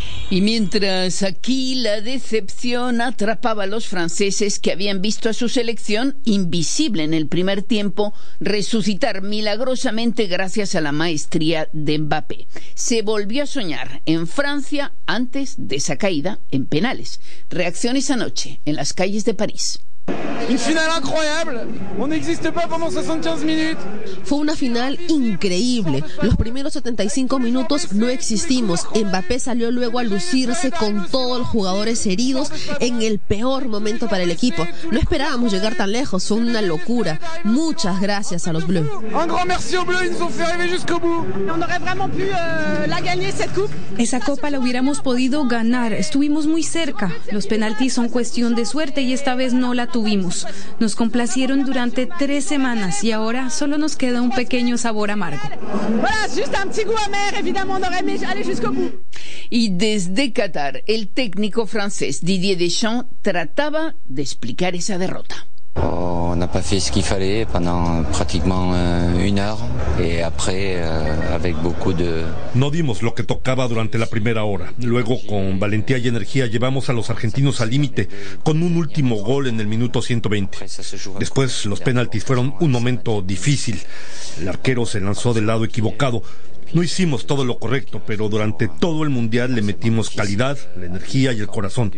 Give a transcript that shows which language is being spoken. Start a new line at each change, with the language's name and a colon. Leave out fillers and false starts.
Spanish: Y mientras aquí la decepción atrapaba a los franceses, que habían visto a su selección invisible en el primer tiempo resucitar milagrosamente gracias a la maestría de Mbappé, se volvió a soñar en Francia antes de esa caída en penales. Reacciones anoche en las calles de París.
French: Une finale incroyable. On n'existe pas pendant 75 minutes.
Spanish: Fue una final increíble. Los primeros 75 minutos no existimos. Mbappé salió luego a lucirse con todos los jugadores heridos en el peor momento para el equipo. No esperábamos llegar tan lejos. Fue una locura. Muchas gracias a los Bleus.
French: Un grand merci aux Bleus, ils nous ont fait rêver jusqu'au bout. On aurait vraiment pu la gagner cette coupe.
Spanish: Esa copa la hubiéramos podido ganar. Estuvimos muy cerca. Los penaltis son cuestión de suerte y esta vez no la tuvimos. Nos complacieron durante 3 semanas y ahora solo nos queda un pequeño sabor amargo. Y desde Qatar, el técnico francés Didier Deschamps trataba de explicar esa derrota.
French: On n'a pas fait ce qu'il fallait pendant pratiquement une heure et après avec beaucoup de...
Spanish: No dimos lo que tocaba durante la primera hora. Luego, con valentía y energía, llevamos a los argentinos al límite con un último gol en el minuto 120. Después, los penaltis fueron un momento difícil. El arquero se lanzó del lado equivocado. No hicimos todo lo correcto, pero durante todo el Mundial le metimos calidad, la energía y el corazón.